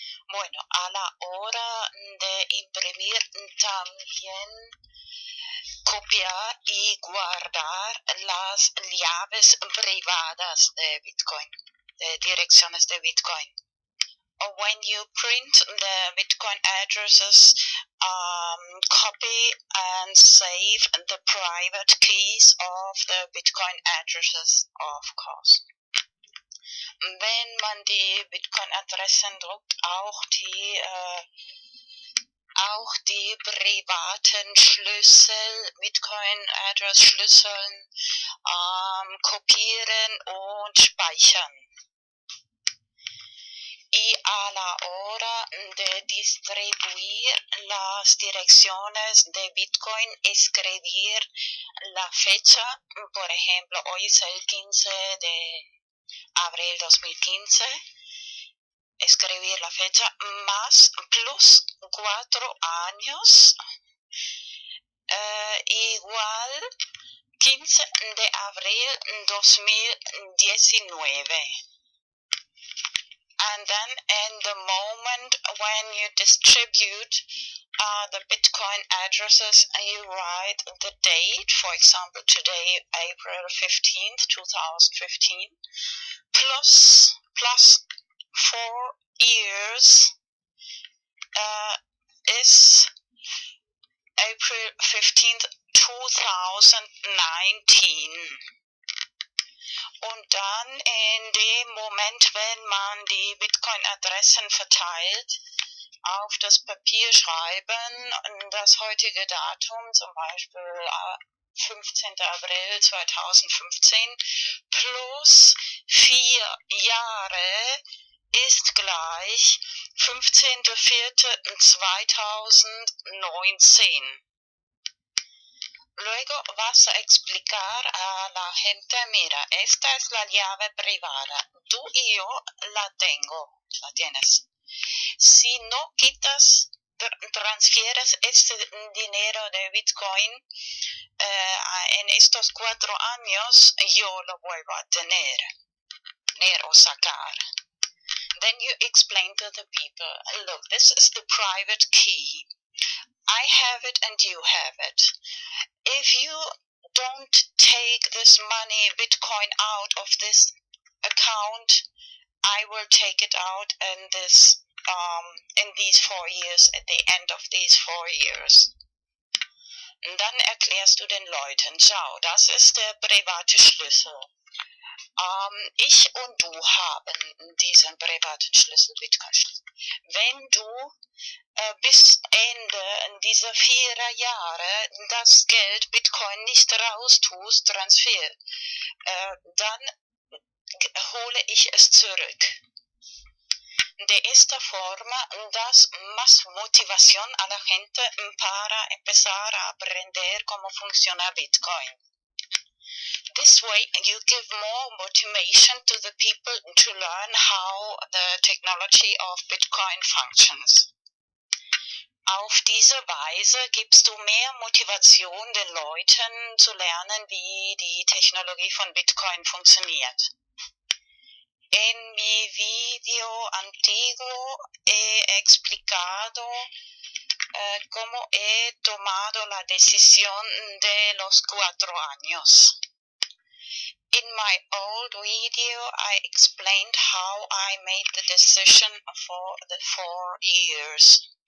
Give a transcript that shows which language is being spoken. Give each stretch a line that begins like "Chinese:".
Spanish: Bueno, a la hora de imprimir también copiar y guardar las llaves privadas de Bitcoin, de direcciones de Bitcoin.
English: When you print the Bitcoin addresses, copy and save the private keys of the Bitcoin addresses, of course.
German: Wenn man die Bitcoin-Adressen druckt, auch die privaten Schlüssel, Bitcoin-Address-Schlüsseln, kopieren und speichern.
Spanish: Y a la hora de distribuir las direcciones de Bitcoin, escribir la fecha, por ejemplo, hoy es el 15 de abril 2015, escribir la fecha más plus 4 años, igual 15 de abril 2019.
English: And then in the moment when you distribute the Bitcoin addresses, you write the date, for example, today, April 15th, 2015, plus 4 years is April 15th, 2019.
German: Und dann in dem Moment, wenn man die Bitcoin-Adressen verteilt, auf das Papier schreiben, das heutige Datum, zum Beispiel 15. April 2015, plus 4 Jahre ist gleich 15.04.2019.
Spanish: Luego vas a explicar a la gente, mira, esta es la llave privada. Tú y yo la tengo, la tienes. Si no quitas, transfieres este dinero de Bitcoin en estos 4 años, yo lo vuelvo a tener o sacar.
English: Then you explain to the people, look, this is the private key. I have it and you have it. If you don't take this money, Bitcoin, out of this account, I will take it out in this in these 4 years, at the end of these 4 years.
German: Und dann erklärst du den Leuten, schau, das ist der private Schlüssel. Ich und du haben diesen privaten Schlüssel, Bitcoin-Schlüssel. Wenn du bis Ende dieser 4 Jahre das Geld Bitcoin nicht raus tust, Transfer, dann hole ich es zurück.
Spanish: De esta forma das más motivación a la gente para empezar a aprender cómo funciona Bitcoin.
English: This way you give more motivation to the people to learn how the technology of Bitcoin functions.
German: Auf diese Weise gibst du mehr Motivation den Leuten zu lernen, wie die Technologie von Bitcoin funktioniert.
Spanish: En mi video antiguo he explicado cómo he tomado la decisión de los 4 años.
English: In my old video, I explained how I made the decision for the 4 years.